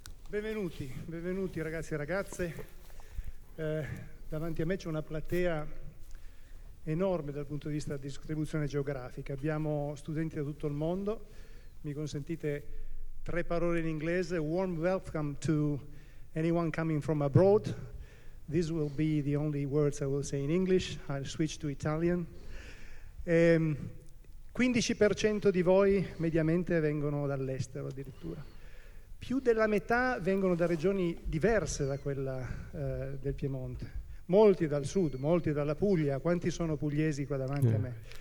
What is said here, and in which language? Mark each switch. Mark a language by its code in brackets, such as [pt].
[it] Benvenuti ragazzi e ragazze, davanti a me c'è una platea enorme dal punto di vista della distribuzione geografica. Abbiamo studenti da tutto il mondo. Mi consentite tre parole in inglese? [en] Warm welcome to anyone coming from abroad. These will be the only words I will say in English. I'll switch to Italian. [it] 15% di voi mediamente vengono dall'estero addirittura. Più della metà vengono da regioni diverse da quella del Piemonte. Molti dal sud, molti dalla Puglia. Quanti sono pugliesi qua davanti a me?